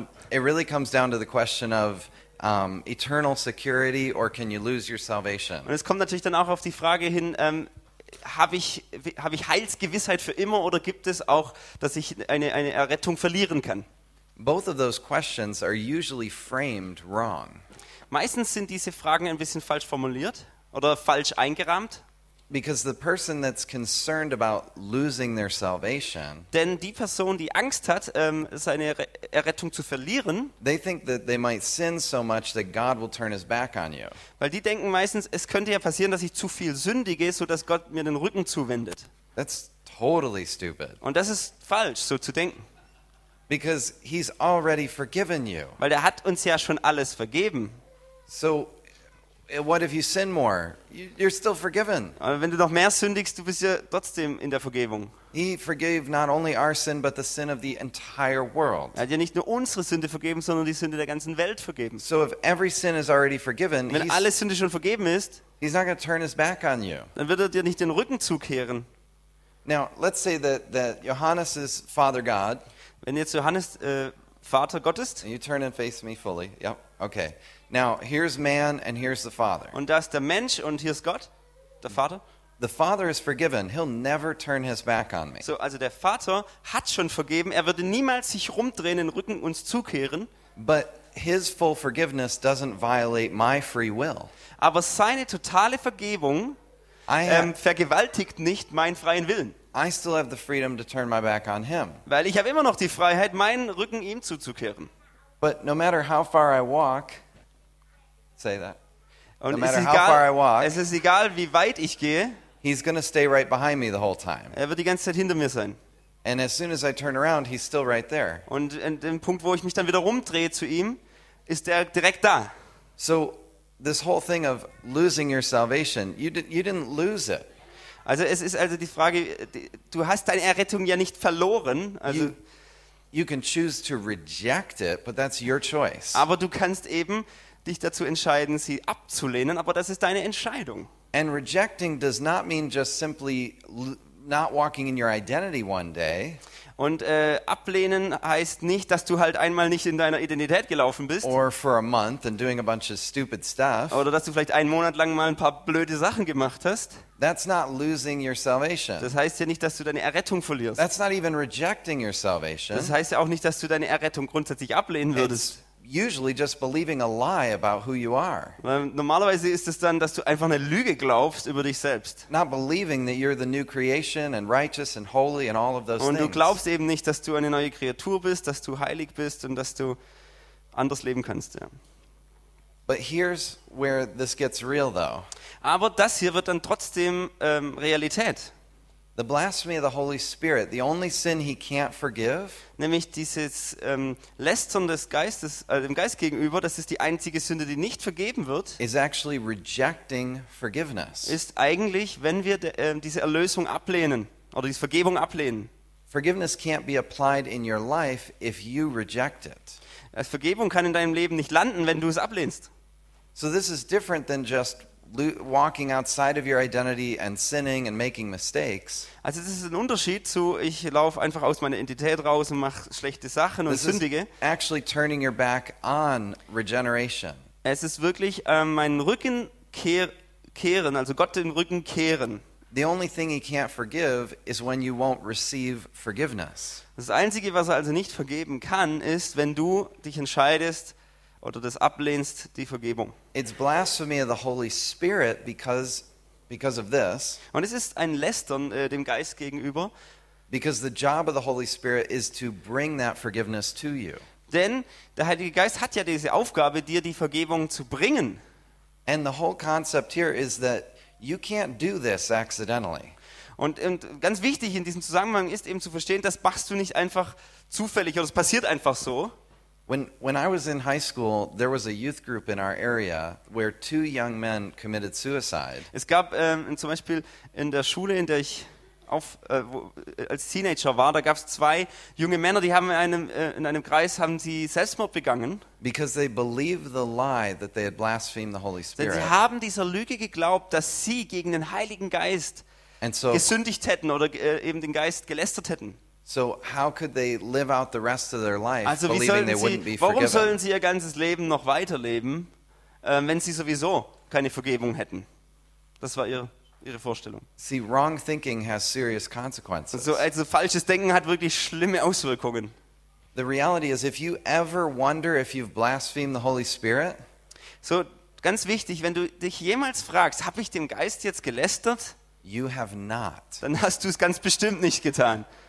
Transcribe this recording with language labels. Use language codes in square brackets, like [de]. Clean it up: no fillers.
[en] It really comes down to the question of eternal security or can you lose your salvation? [de] Und es kommt natürlich dann auch auf die Frage hin, habe ich Heilsgewissheit für immer oder gibt es auch, dass ich eine Errettung verlieren kann? [en] Both of those questions are usually framed wrong. [de] Meistens sind diese Fragen ein bisschen falsch formuliert oder falsch eingerahmt. [en] Because the person that's concerned about losing their salvation, [de] denn die Person, die Angst hat, seine Errettung zu verlieren, [en] they think that they might sin so much that God will turn his back on you. [de] Weil die denken meistens, es könnte ja passieren, dass ich zu viel sündige, so dass Gott mir den Rücken zuwendet. [en] That's totally stupid. [de] Und das ist falsch, so zu denken. [en] Because he's already forgiven you. [de] Weil er hat uns ja schon alles vergeben. [en] So what if you sin more? You're still forgiven. [de] Aber wenn du noch mehr sündigst, du bist ja trotzdem in der Vergebung. [en] He forgave not only our sin, but the sin of the entire world. [de] Er hat ja nicht nur unsere Sünde vergeben, sondern die Sünde der ganzen Welt vergeben. [en] So if every sin is already forgiven, [de] wenn alle Sünde schon vergeben ist, [en] he's not going to turn his back on you. [de] Dann wird er dir nicht den Rücken zukehren. [en] Now let's say that Johannes is Father God. [de] Wenn jetzt Johannes Vater Gott ist. [en] And you turn and face me fully. Yep. Okay. Now here's man and here's the Father. [de] Und da ist der Mensch und hier ist Gott, der Vater. [en] The Father is forgiven. He'll never turn his back on me. [de] So, also der Vater hat schon vergeben. Er würde niemals sich rumdrehen, den Rücken uns zukehren. [en] But his full forgiveness doesn't violate my free will. [de] Aber seine totale Vergebung vergewaltigt nicht meinen freien Willen. [en] I still have the freedom to turn my back on him. [de] Weil ich habe immer noch die Freiheit, meinen Rücken ihm zuzukehren. [en] But no matter how far I walk. Say that. [de] Und [en] no matter how [de] egal, [en] far I walk, [de] es ist egal, wie weit ich gehe. [en] He's gonna stay right behind me the whole time. [de] Er wird die ganze Zeit hinter mir sein. [en] And as soon as I turn around, he's still right there. [de] Und an dem Punkt, wo ich mich dann wieder rumdrehe zu ihm, ist er direkt da. [en] So, this whole thing of losing your salvation, you didn't lose it. [de] Also es ist also die Frage, du hast deine Errettung ja nicht verloren. [en] Also you can choose to reject it, but that's your choice. [de] Aber du kannst eben dich dazu entscheiden, sie abzulehnen, aber das ist deine Entscheidung. [en] And rejecting does not mean just simply not walking in your identity one day. [de] Und ablehnen heißt nicht, dass du halt einmal nicht in deiner Identität gelaufen bist. [en] Or for a month and doing a bunch of stupid stuff. [de] Oder dass du vielleicht einen Monat lang mal ein paar blöde Sachen gemacht hast. [en] That's not losing your salvation. [de] Das heißt ja nicht, dass du deine Errettung verlierst. [en] That's not even rejecting your salvation. [de] Das heißt ja auch nicht, dass du deine Errettung grundsätzlich ablehnen würdest. [en] usually just believing a lie about who you are. [de] Normalerweise ist es dann, dass du einfach eine Lüge glaubst über dich selbst. [en] Not believing that you're the new creation and righteous and holy and all of those things. [de] Und du glaubst eben nicht, dass du eine neue Kreatur bist, dass du heilig bist und dass du anders leben kannst, ja. [en] But here's where this gets real though. [de] Aber das hier wird dann trotzdem Realität. [en] The blasphemy of the Holy Spirit, the only sin he can't forgive. [de] Nämlich dieses Lästern des Geistes, dem Geist gegenüber, das ist die einzige Sünde, die nicht vergeben wird. [en] Is actually rejecting forgiveness. [de] Ist eigentlich, wenn wir diese Erlösung ablehnen oder diese Vergebung ablehnen. [en] Forgiveness can't be applied in your life if you reject it. [de] Als Vergebung kann in deinem Leben nicht landen, wenn du es ablehnst. [en] So this is different than just walking outside of your identity and sinning and making mistakes. [de] Also das ist ein Unterschied zu ich laufe einfach aus meiner Identität raus und mache schlechte Sachen und [en] this [de] sündige. [en] Actually turning your back on regeneration. [de] Es ist wirklich meinen Rücken kehren, also Gott den Rücken kehren. [en] The only thing he can't forgive is when you won't receive forgiveness. [de] Das Einzige, was er also nicht vergeben kann, ist, wenn du dich entscheidest oder das ablehnst, die Vergebung. [en] It's blasphemy of the Holy Spirit because of this. [de] Und es ist ein Lästern dem Geist gegenüber. [en] Because the job of the Holy Spirit is to bring that forgiveness to you. [de] Denn der Heilige Geist hat ja diese Aufgabe, dir die Vergebung zu bringen. [en] And the whole concept here is that you can't do this accidentally. [de] Und ganz wichtig in diesem Zusammenhang ist eben zu verstehen, das machst du nicht einfach zufällig oder es passiert einfach so. [en] When I was in high school, there was a youth group in our area where two young men committed suicide. [de] Es gab zum Beispiel in der Schule, in der ich als Teenager war, da gab es zwei junge Männer, die haben in einem Kreis haben sie Selbstmord begangen. [en] Because they believed the lie that they had blasphemed the Holy Spirit. [de] Denn sie haben dieser Lüge geglaubt, dass sie gegen den Heiligen Geist gesündigt hätten oder eben den Geist gelästert hätten. [en] So how could they live out the rest of their life [de] also, [en] believing [de] sollen [en] they [de] sie, [en] wouldn't be forgiven? [de] Warum sollen sie ihr ganzes Leben noch weiterleben, wenn sie sowieso keine Vergebung hätten? Das war ihre Vorstellung. [en] See, wrong thinking has serious consequences. [de] Also falsches Denken hat wirklich schlimme Auswirkungen. [en] The reality is if you ever wonder if you've blasphemed the Holy Spirit, [de] so ganz wichtig, wenn du dich jemals fragst, habe ich dem Geist jetzt gelästert? [en] You have not. [de] Dann hast du es ganz bestimmt nicht getan.